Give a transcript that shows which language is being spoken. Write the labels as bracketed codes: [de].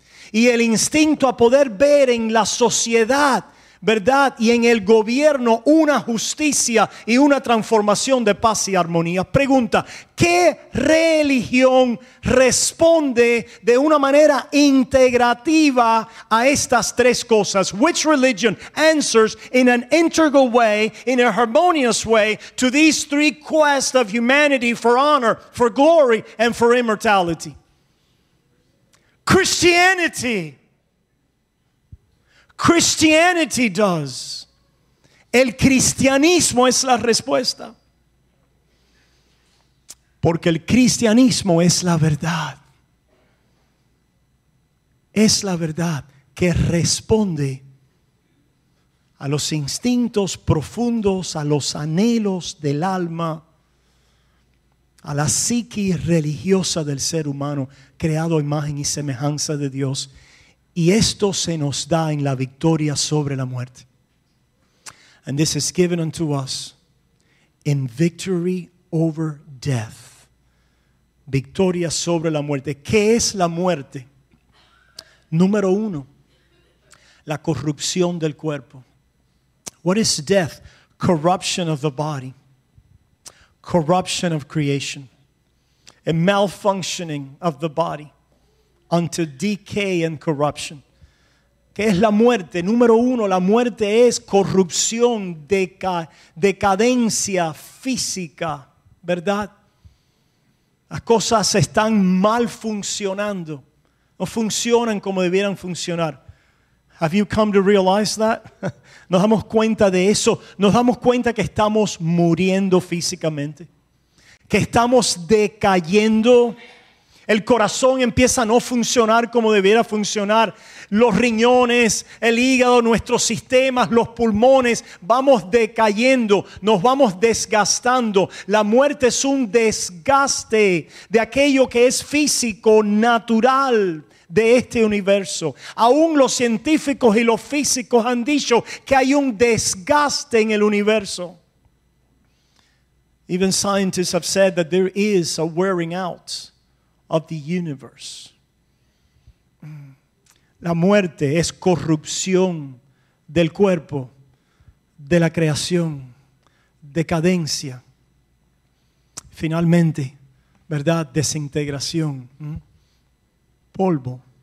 [es] Y el instinto a poder ver en la sociedad, ¿verdad? Y en el gobierno una justicia y una transformación de paz y armonía. Pregunta, ¿qué religión responde de una manera integrativa a estas tres cosas? [en] Which religion answers in an integral way, in a harmonious way, to these three quests of humanity for honor, for glory, and for immortality? Christianity. Christianity does. [es] El cristianismo es la respuesta. Porque el cristianismo es la verdad. Es la verdad que responde a los instintos profundos, a los anhelos del alma, a la psique religiosa del ser humano, creado a imagen y semejanza de Dios. Y esto se nos da en la victoria sobre la muerte. [en] And this is given unto us in victory over death. [es] Victoria sobre la muerte. ¿Qué es la muerte? Número uno, la corrupción del cuerpo. [en] What is death? Corruption of the body. Corruption of creation. A malfunctioning of the body. Unto decay and corruption. [es] ¿Qué es la muerte? Número uno, la muerte es corrupción, decadencia física, ¿verdad? Las cosas están mal funcionando. No funcionan como debieran funcionar. [en] Have you come to realize that? [es] Nos damos cuenta de eso. Nos damos cuenta que estamos muriendo físicamente. Que estamos decayendo. El corazón empieza a no funcionar como debiera funcionar. Los riñones, el hígado, nuestros sistemas, los pulmones, vamos decayendo, nos vamos desgastando. La muerte es un desgaste de aquello que es físico, natural de este universo. Aún los científicos y los físicos han dicho que hay un desgaste en el universo. [en] Even scientists have said that there is a wearing out of the universe. [es] La muerte es corrupción del cuerpo, de la creación, decadencia. Finalmente, ¿verdad? Desintegración. Polvo.